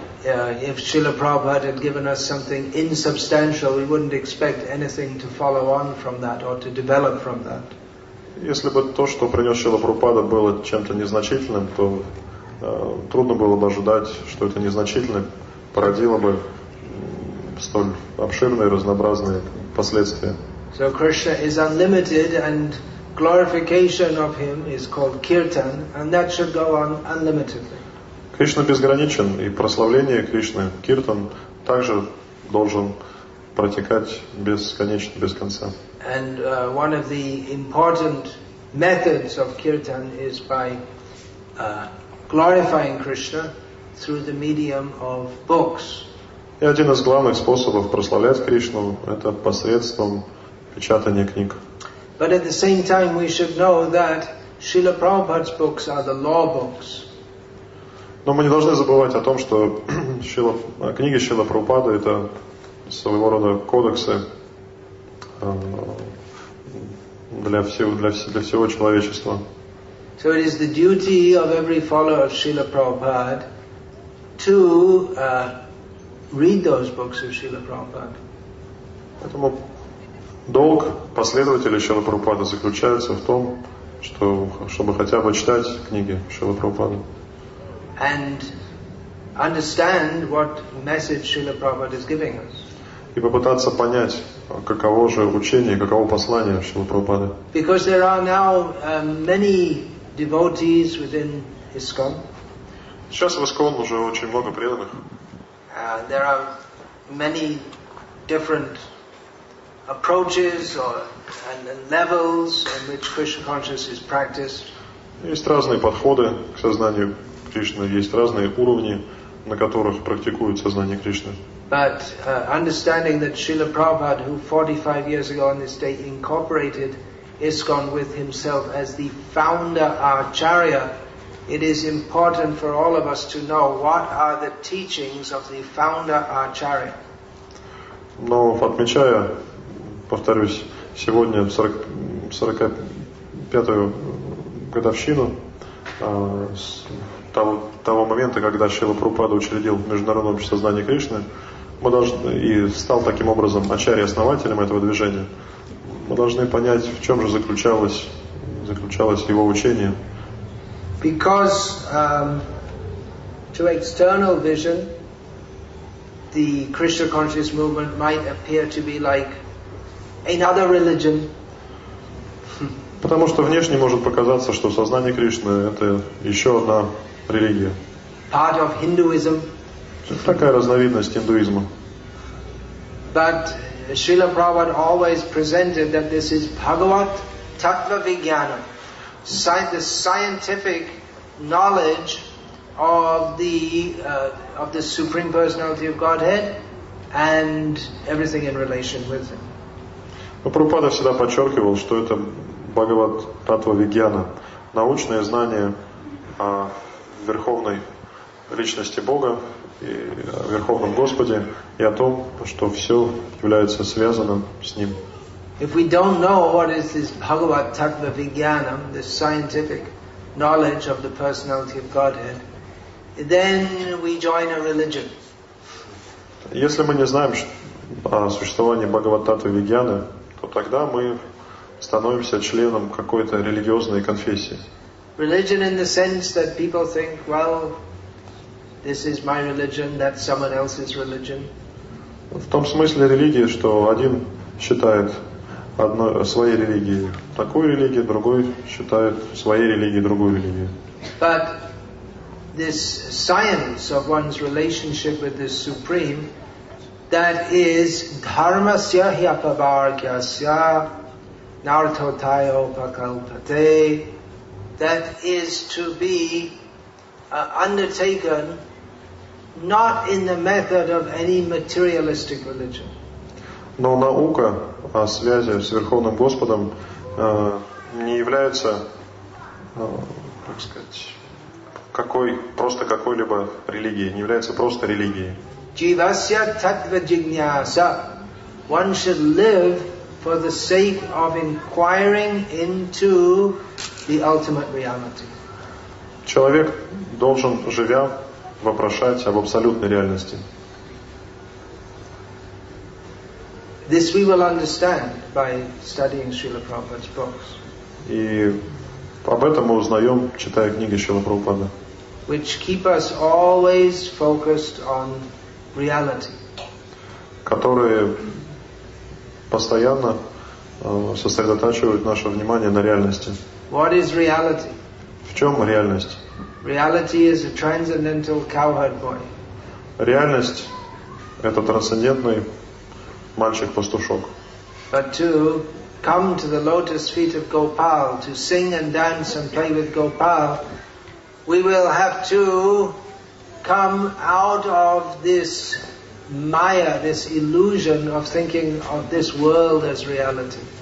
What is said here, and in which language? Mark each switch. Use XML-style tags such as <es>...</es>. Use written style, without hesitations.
<en>If Srila Prabhupada had given us something insubstantial, we wouldn't expect anything to follow on from that or to develop from that.</en> <ru>Если бы то, что принес Шрила Прабхупада, было чем-то незначительным, то трудно было бы ожидать, что это незначительное породило бы столь обширные, разнообразные последствия.</ru> <en>So Krishna is unlimited, and glorification of him is called kirtan, and that should go on unlimitedly.</en> <ru>Кришна безграничен, и прославление Кришны, киртан, также должен протекать бесконечно, без конца.</ru> <en>And one of the important methods of kirtan is by glorifying Krishna through the medium of books.</en> <ru>И один из главных способов прославлять Кришну – это посредством печатания книг.</ru> <en>But at the same time, we should know that Srila Prabhupada's books are the law books.</en> <ru>Но мы не должны забывать о том, что книги Шрилы Прабхупады – это своего рода кодексы для всего человечества.</ru> <en>So it is the duty of every follower of Srila Prabhupada to read those books of Srila Prabhupada.</en> <ru>Поэтому долг последователей Шрилы Прабхупады заключается в том, чтобы хотя бы читать книги Шрилы Прабхупады.</ru> <en>And understand what message Srila Prabhupada is giving us.</en> <ru>И попытаться понять, каково же учение, каково послание Шрилы Прабхупады.</ru> <en>Because there are now many devotees within ISKCON.</en> <ru>Сейчас в ISKCON уже очень много преданных.</ru> <en>There are many different approaches or and levels in which Krishna consciousness is practiced.</en> <ru>Есть разные подходы к сознанию Кришны, есть разные уровни, на которых практикует сознание Кришны.</ru> <en>But understanding that Srila Prabhupada, who 45 years ago on this day incorporated ISKCON with himself as the founder Acharya, it is important for all of us to know what are the teachings of the founder Acharya.</en> <ru>Но отмечая, повторюсь, сегодня 45-ю годовщину того момента, когда Шрила Прабхупада учредил Международное общество знания Кришны, мы должны, и стал таким образом ачарья-основателем этого движения, мы должны понять, в чем же заключалось его учение.</ru> <en>Because to external vision, the Krishna conscious movement might appear to be like another religion.</en> <ru>Потому что внешне может показаться, что сознание Кришны — это еще одна религия.</ru> <en>Part of Hinduism.</en> <ru>Такая разновидность индуизма.</ru> <en>But Srila Prabhupada always presented that this is Bhagavat Tattva Vijnana, the scientific knowledge of the Supreme Personality of Godhead and everything in relation with Him.</en> <ru>Но Прабхупада всегда подчеркивал, что это Бхагават Таттва Вигьяна, научное знание о Верховной Личности Бога, и о Верховном Господе и о том, что все является связанным с Ним.</ru> <en>If we don't know what is this Bhagavat Tattva Vigyana, the scientific knowledge of the personality of Godhead, then we join a religion.</en> <ru>Если мы не знаем о существовании Бхагават Таттва Вигьяна, то тогда мы становимся членом какой-то религиозной конфессии.</ru> <en>Religion in the sense that people think, well, this is my religion, that's someone else's religion.</en> <ru>В том смысле религии, что один считает своей религией такую религию, другой считает своей религией другую религию.</ru> <en>But this science of one's relationship with the Supreme, that is</en> <sa>dharmasya hyapavargyasya nartotayo pakalpate,</sa> <en>that is to be undertaken not in the method of any materialistic religion.</en> <ru>Но наука о связи с Верховным Господом не является, как сказать, какой-либо религией, не является просто религией.</ru> <sa>Jivasya tattva jignyasa.</sa> <en>One should live for the sake of inquiring into the ultimate reality.</en> <ru>Человек должен, живя, вопрошать об абсолютной реальности.</ru> <en>This we will understand by studying Srila Prabhupada's books.</en> <ru>И об этом мы узнаем, читая книги Шрилы Прабхупады.</ru> <en>Which keep us always focused on reality.</en> <ru>Которые постоянно сосредотачивают наше внимание на реальности.</ru> <en>What is reality?</en> <ru>В чем реальность?</ru> <en>Reality is a transcendental cowherd boy.</en> <ru>Реальность — это трансцендентный мальчик-пастушок.</ru> <en>But to come to the lotus feet of Gopal, to sing and dance and play with Gopal, we will have to come out of this maya, this illusion of thinking of this world as reality.</en>